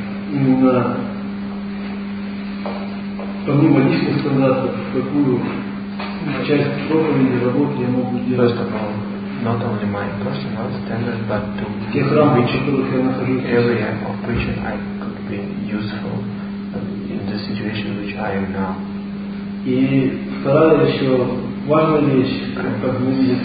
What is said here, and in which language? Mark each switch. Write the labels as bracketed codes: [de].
[ru] Именно помимо личных стандартов, какую часть проповеди работы я могу делать. [en] Not only my personal standard, but to [ru] тех рамках, в которых я нахожусь. [en] Area of preaching I could be useful in the situation which I am now. [ru] И вторая еще важная вещь, как мы видим.